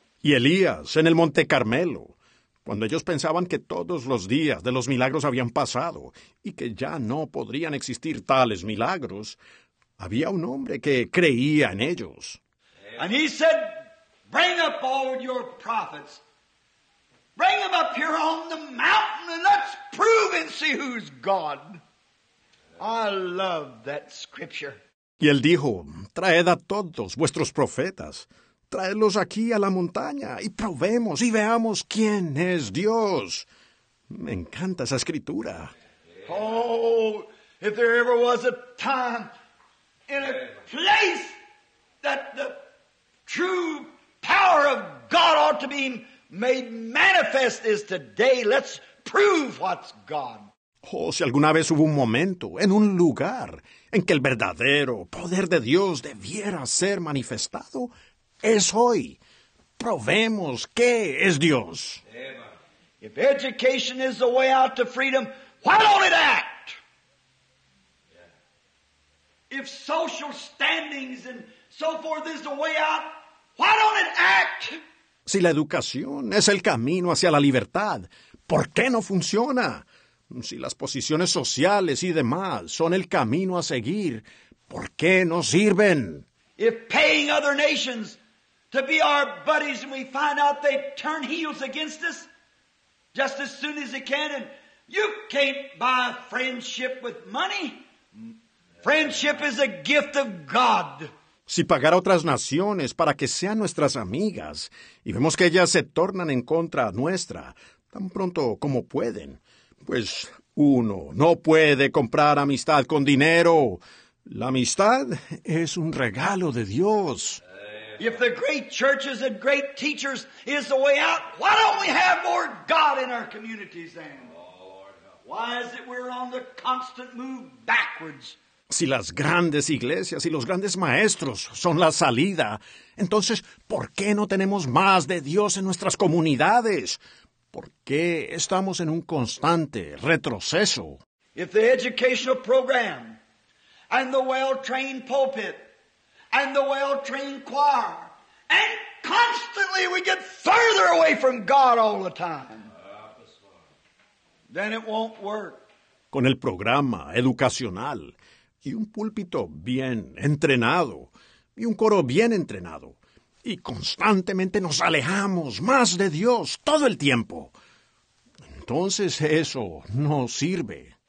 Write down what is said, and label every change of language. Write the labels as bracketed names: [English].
[Spanish] Y Elías, en el Monte Carmelo, cuando ellos pensaban que todos los días de los milagros habían pasado y que ya no podrían existir tales milagros, había un hombre que creía en ellos. [English] And he said, bring up all your prophets. Bring them up here on the mountain and let's prove and see who's God. I love that scripture. [Spanish] Y él dijo, traed a todos vuestros profetas. Tráelos aquí a la montaña y probemos y veamos quién es Dios. Me encanta esa escritura. [English] Oh, if there ever was a time in a place that the true power of God ought to be made manifest is today. Let's prove what's God. [Spanish] Oh, si alguna vez hubo un momento en un lugar en que el verdadero poder de Dios debiera ser manifestado, es hoy. Probemos qué es Dios. [English] If education is the way out to freedom, why don't it act? If social standings and so forth is the way out, why don't it act? [Spanish] Si la educación es el camino hacia la libertad, ¿por qué no funciona? Si las posiciones sociales y demás son el camino a seguir, ¿por qué no sirven? [English] If paying other nations to be our buddies and we find out they turn heels against us just as soon as they can. And you can't buy friendship with money. Friendship is a gift of God. [Spanish] Si pagar a otras naciones para que sean nuestras amigas y vemos que ellas se tornan en contra nuestra tan pronto como pueden, pues uno no puede comprar amistad con dinero. La amistad es un regalo de Dios. [English] If the great churches and great teachers is the way out, why don't we have more God in our communities then? Why is it we're on the constant move backwards? [Spanish] Si las grandes iglesias y los grandes maestros son la salida, entonces, ¿por qué no tenemos más de Dios en nuestras comunidades? ¿Por qué estamos en un constante retroceso? [English] If the educational program and the well-trained pulpit and the well-trained choir, and constantly we get further away from God all the time, then it won't work. [Spanish] Con el programa educacional y un púlpito bien entrenado y un coro bien entrenado, y constantemente nos alejamos más de Dios todo el tiempo, entonces eso no sirve.